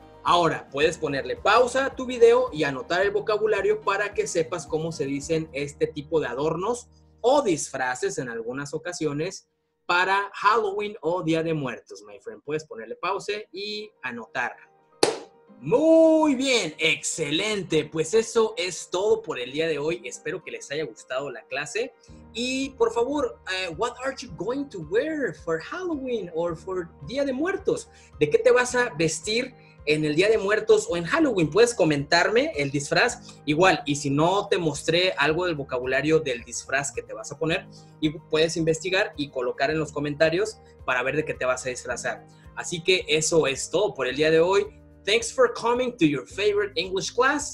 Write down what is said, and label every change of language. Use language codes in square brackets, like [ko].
[es] Ahora, puedes ponerle pausa a tu video y anotar el vocabulario para que sepas cómo se dicen este tipo de adornos o disfraces en algunas ocasiones para Halloween o Día de Muertos, [en] my friend. [es] Puedes ponerle pause y anotar. Muy bien, excelente. Pues eso es todo por el día de hoy. Espero que les haya gustado la clase. Y por favor, [en] what are you going to wear for Halloween or for Día de Muertos? [es] ¿De qué te vas a vestir en el Día de Muertos o en Halloween? Puedes comentarme el disfraz. Igual, y si no te mostré algo del vocabulario del disfraz que te vas a poner, y puedes investigar y colocar en los comentarios para ver de qué te vas a disfrazar. Así que eso es todo por el día de hoy. [en] Thanks for coming to your favorite English class.